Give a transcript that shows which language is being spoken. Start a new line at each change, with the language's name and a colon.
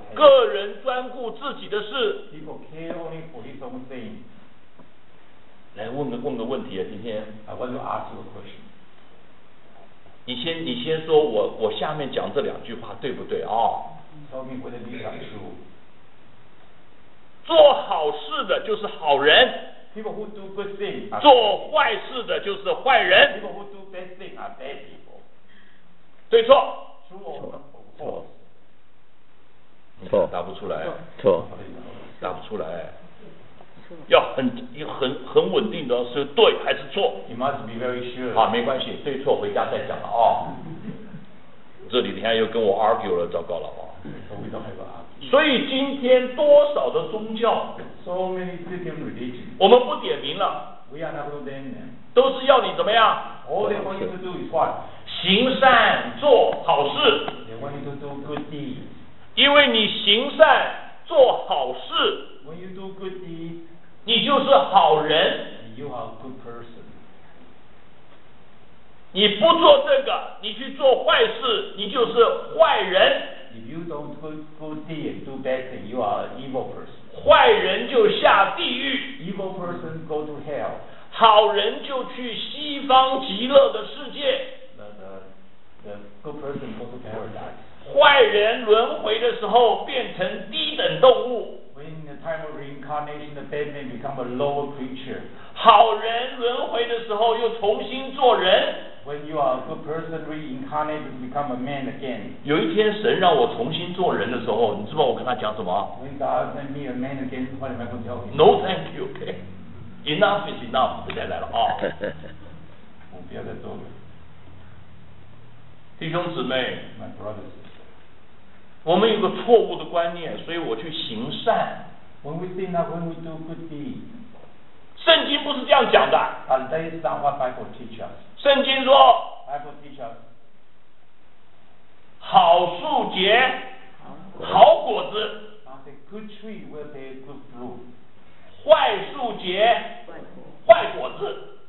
Chinese: him. 个人专顾自己的事。
English: People care only for his own thing.
Chinese: 来问个问题啊，今天。
English: I want to ask you a question.
Chinese: 你先说我下面讲这两句话对不对啊、
English: 哦、？Tell me whether these are true.
Chinese: 做好事的就是好人。
English: People who do good things.
Chinese: 做坏事的就是坏人。
English: People who do bad things are bad people.
Chinese: 对错
English: ？True or false?
Chinese: 错，答不出来。错，答不出来。要很稳定的，是对还是错
English: ？You must be very sure.
Chinese: 好，没关系，对错回家再讲了啊、哦。这几天又跟我 argue 了，糟糕了啊、哦。所以今天多少的宗教
English: ？So many different religions.
Chinese: 我们不点名了。
English: We are not going to name them.
Chinese: 都是要你怎么样
English: ？All they want you to do is what?
Chinese: 行善做好事。
English: They want you to do good deeds.
Chinese: 因为你行善做好事
English: When you do good deeds,
Chinese: 你就是好人
English: you are a good person.
Chinese: 你不做这个你去做坏事你就是坏人
English: If you don't do good deeds, do bad things, you are an evil person.
Chinese: 坏人就下地狱
English: Evil person go to hell.
Chinese: 好人就去西方极乐的世界
English: the good person go to paradise.
Chinese: 坏人轮回的时候变成低等动物
English: When the time of reincarnation, the bad man become a lower creature.
Chinese: 好人轮回的时候又重新做人
English: When you are a good person reincarnated, become a man again.
Chinese: 有一天神让我重新做人的时候你知道我跟他讲什么
English: When God sent me a man again, what am I going to tell him? No thank you, okay. Enough is enough.
Chinese: 不再来了啊、哦、我不要再做了弟兄姊妹
English: My brothers
Chinese: 我们有个错误的观念，所以我去行善。
English: When we sin, not when we do good deeds.
Chinese: 圣经不是这样讲的。
English: But that is not what Bible teach us.
Chinese: 圣经说
English: Bible teach us.
Chinese: 好树结好果子。
English: The good tree will bear good fruit.
Chinese: 坏树结坏果子。